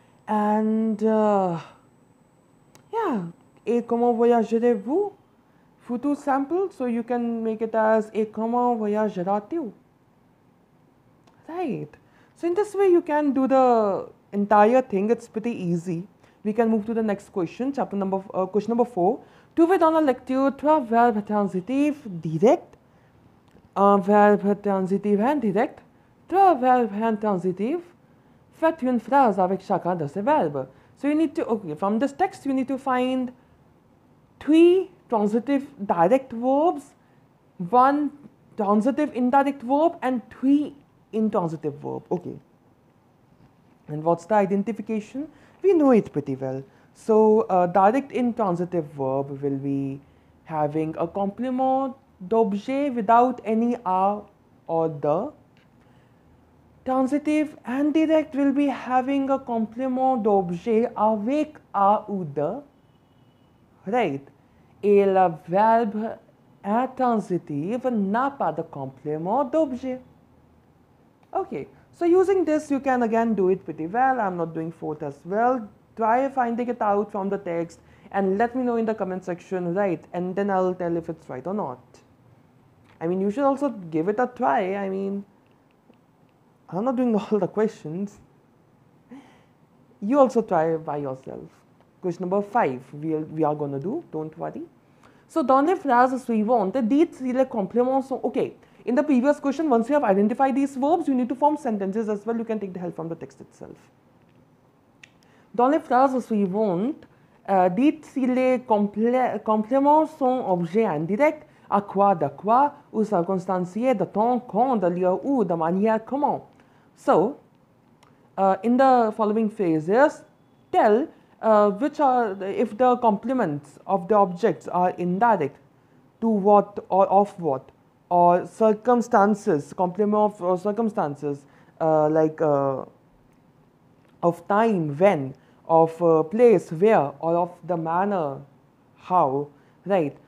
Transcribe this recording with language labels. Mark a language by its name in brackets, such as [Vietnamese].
[English] And yeah, [French] et comment voyagerez-vous? [English] Futur sample, so you can make it as [French] et comment voyageras-tu? [English] Right. So in this way, you can do the entire thing. It's pretty easy. We can move to the next question, chapter number question number four. [French] Trouvez dans la lecture trois verbes transitifs directs. Un verbe transitif indirect, trois verbes intransitifs, faites une phrase avec chacun de ces verbes. [English] So you need to, okay, from this text you need to find three transitive direct verbs, one transitive indirect verb and three intransitive verbs, okay. And what's the identification? We know it pretty well. So a direct intransitive verb will be having a complement d'objet without any a or the. Transitive and direct will be having a [French] complement d'objet avec a ou de. [English] right? [French] Et le verbe intransitif n'a pas de complément d'objet. [English] Okay, so using this, you can again do it pretty well. I'm not doing fault as well. Try finding it out from the text and let me know in the comment section, right? And then I'll tell if it's right or not. I mean, you should also give it a try. I mean, I'm not doing all the questions. You also try by yourself. Question number 5, we are going to do, don't worry. So, [French] dans les phrases suivantes, dites si les compléments sont... [English] Okay, in the previous question, once you have identified these verbs, you need to form sentences as well. You can take the help from the text itself. [French] Dans les phrases suivantes, dites si les compléments sont objets indirects, à quoi, de quoi, ou circonstancier, de temps, quand, de lieu, où, de manière, comment. [English] So, in the following phrases, tell which are, if the complements of the objects are indirect, to what or of what, or circumstances, complement of circumstances, like of time, when, of place, where, or of the manner, how, right?